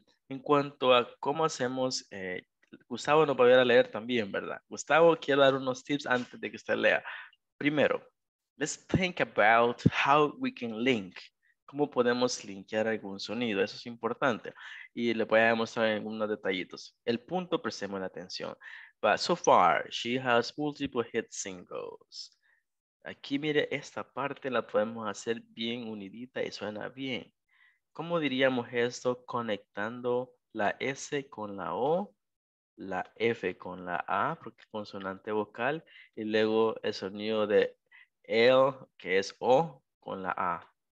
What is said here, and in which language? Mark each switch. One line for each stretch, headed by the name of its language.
Spanish: En cuanto a cómo hacemos, Gustavo nos va a ayudar a leer también, ¿verdad? Gustavo, quiero dar unos tips antes de que usted lea.
English: Primero, let's think about how we can link.
Spanish: ¿Cómo podemos linkear algún sonido? Eso es importante. Y le voy a mostrar algunos detallitos. El punto, prestemos la atención.
English: But so far, she has multiple hit singles.
Spanish: Aquí, mire, esta parte la podemos hacer bien unidita y suena bien. ¿Cómo diríamos esto? Conectando la S con la O, la F con la A, porque es consonante vocal, y luego el sonido de L, que es O, con la A.